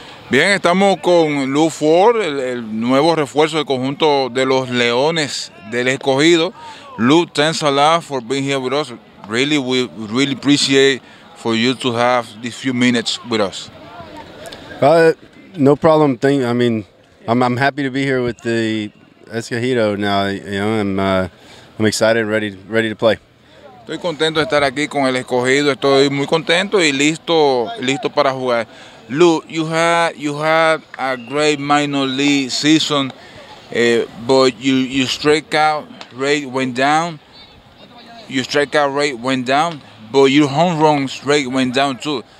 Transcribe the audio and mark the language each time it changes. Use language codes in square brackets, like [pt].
[es] Bien, estamos con Lew Ford, el nuevo refuerzo del conjunto de los Leones del Escogido. [en] Lew, thanks a lot for being here with us. Really, we really appreciate for you to have these few minutes with us. No problem. Thing. I mean, I'm happy to be here with the Escogido now. You know, I'm excited, ready to play. [es] Estoy contento de estar aquí con el Escogido. Estoy muy contento y listo para jugar. [en] Lew, you had a great minor league season, but your strikeout rate went down. Your strikeout rate went down, but your home run rate went down too.